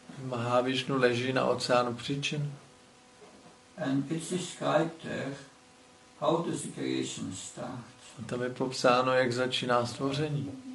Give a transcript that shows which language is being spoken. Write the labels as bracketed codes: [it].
[cs] Mahavishnu leží na oceánu příčin. [en] And it's described there, how does the creation start? [cs] A tam je popsáno, jak začíná stvoření.